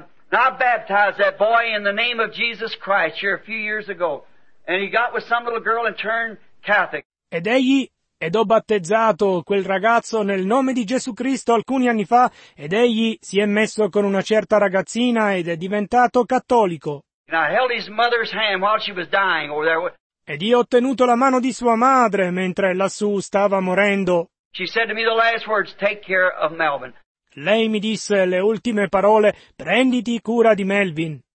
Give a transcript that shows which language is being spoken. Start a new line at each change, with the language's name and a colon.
English: I baptized that boy in the name of Jesus Christ here a few years ago. And he got with some little girl and turned Catholic.
Italian: Ed ho battezzato quel ragazzo nel nome di Gesù Cristo alcuni anni fa, ed egli si è messo con una certa ragazzina ed è diventato cattolico.
English: And I held his mother's hand while she was dying over there.
Italian: Ed io ho tenuto la mano di sua madre mentre lassù stava morendo.
English: She said to me the last words, "Take care of Melvin."
Italian: Lei mi disse le ultime parole, "Prenditi cura di Melvin."